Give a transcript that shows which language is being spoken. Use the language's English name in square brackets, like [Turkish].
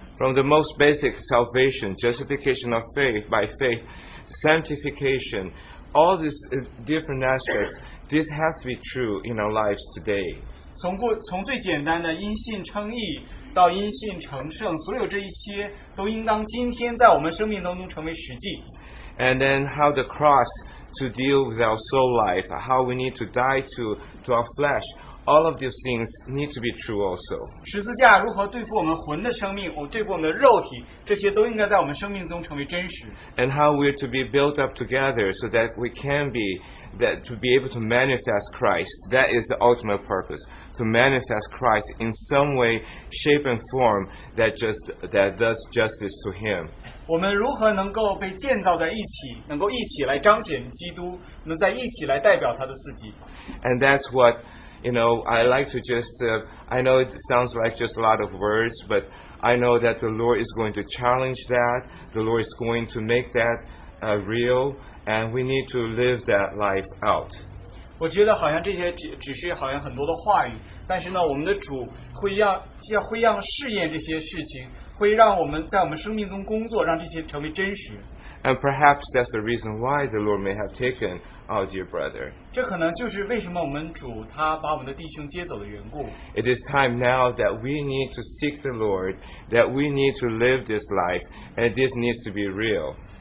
[English] From the most basic salvation, justification of faith by faith, sanctification, all these different aspects, this has to be true in our lives today. [Chinese] 从最简单的因信称义到因信成圣，所有这一些都应当今天在我们生命当中成为实际。 [English] And then how the cross to deal with our soul life, how we need to die to our flesh, all of these things need to be true also. [Chinese] 十字架如何对付我们魂的生命，我对付我们的肉体，这些都应该在我们生命中成为真实。 [English] And how we're to be built up together so that we can be, that to be able to manifest Christ. That is the ultimate purpose, to manifest Christ in some way, shape and form that does justice to Him. [Chinese] 我们如何能够被建造在一起，能够一起来彰显基督，能在一起来代表他的自己。 [English] And that's what, you know, I like to just, I know it sounds like just a lot of words, but I know that the Lord is going to challenge that. The Lord is going to make that real, and we need to live that life out. [Chinese] 我觉得好像这些只是好像很多的话语，但是呢，我们的主会要试验这些事情，会让我们在我们生命中工作，让这些成为真实。 [English] And perhaps that's the reason why the Lord may have taken our dear brother. [Chinese] 这可能就是为什么我们主他把我们的弟兄接走的缘故。 [English] It is time now that we need to seek the Lord, that we need to live this life, and this needs to be real.